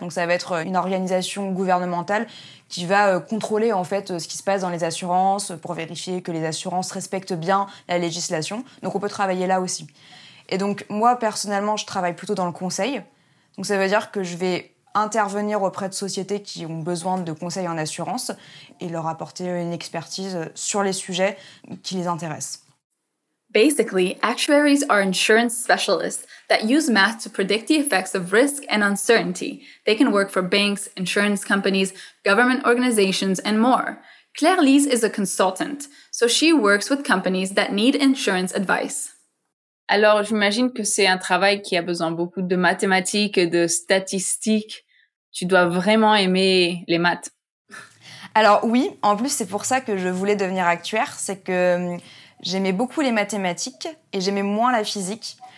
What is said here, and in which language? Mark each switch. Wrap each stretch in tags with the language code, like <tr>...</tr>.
<fr>Donc ça va être une organisation gouvernementale qui va contrôler en fait ce qui se passe dans les assurances pour vérifier que les assurances respectent bien la législation. Donc on peut travailler là aussi. Et donc moi personnellement, je travaille plutôt dans le conseil. Donc ça veut dire que je vais intervenir auprès de sociétés qui ont besoin de conseils en assurance et leur apporter une expertise sur les sujets qui les intéressent.</fr> <en>Basically, actuaries are insurance specialists that use math to predict the effects of risk and uncertainty. They can work for banks, insurance companies, government organizations, and more. Claire-Lise is a consultant, so she works with companies that need insurance advice.</en> <fr>Alors, j'imagine que c'est un travail qui a besoin beaucoup de mathématiques et de statistiques. Tu dois vraiment aimer les maths. Alors oui, en plus, c'est pour ça que je voulais devenir actuaire. C'est que j'aimais beaucoup les mathématiques et j'aimais moins la physique.</fr>